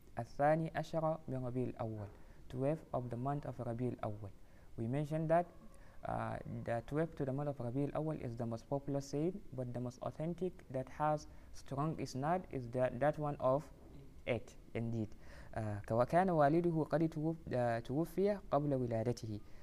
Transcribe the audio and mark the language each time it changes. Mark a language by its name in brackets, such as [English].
[Arabic] الثاني عشر من ربيع الأول, [English] 12 of the month of [Arabic] ربيع الأول. [English] We mentioned that the 12 to the month of ربيع الأول is the most popular saying, but the most authentic that has strong isnad is that one of 8, indeed. [Arabic] وكان والده قد توفي قبل ولادته.